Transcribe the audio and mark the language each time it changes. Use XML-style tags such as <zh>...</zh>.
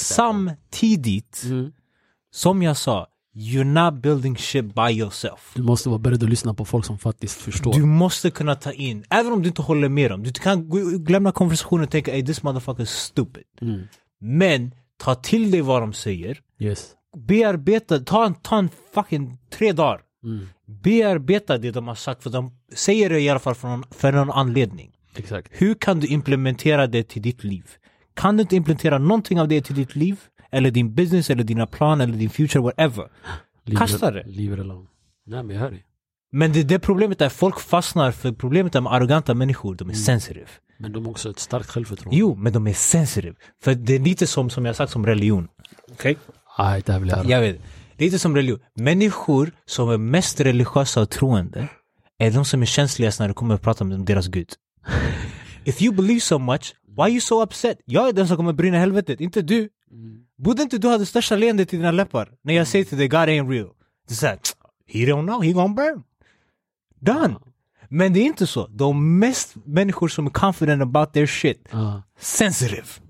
<sv>Samtidigt, som jag sa,</sv> <en>you're not building shit by yourself.</en> <sv>Du måste vara beredd att lyssna på folk som faktiskt förstår. Du måste kunna ta in, även om du inte håller med dem. Du kan glömma konversationen och tänka,</sv> <en>hey, this motherfucker is stupid.</en> <sv>Men ta till dig vad de säger.</sv> <en>Yes.</en> <sv>Bearbeta. Ta en fucking 3 dagar. Bearbeta det de har sagt. För de säger det i alla fall för någon anledning. Exakt. Hur kan du implementera det till ditt liv? Kan du inte implementera någonting av det till ditt liv? Eller din business, eller dina plan, eller din future, whatever. Kasta det.</sv> <en>Leave it alone.</en> <sv>Nej, men jag hör det. Men det problemet är att folk fastnar. För problemet är med arroganta människor. De är sensitive. Men de har också ett starkt självförtroende. Jo, men de är sensitive. För det är lite som jag sagt, som religion. Okej? Okay? Det här vill jag höra. Jag vet. Lite som religion. Människor som är mest religiösa och troende är de som är känsligast när du kommer att prata med deras Gud.</sv> <en>If you believe so much, why are you so upset?</en> <sv>Jag är den som kommer att brinna helvetet, inte du. Borde inte du ha det största leendet i dina läppar när jag säger till dig,</sv> <en>God ain't real?</en> <sv>Du säger,</sv> <en>he don't know, he gonna burn. Done.</en> <sv>Men det är inte så. De mest människor som är</sv> <en>confident about their shit. Sensitive.</en>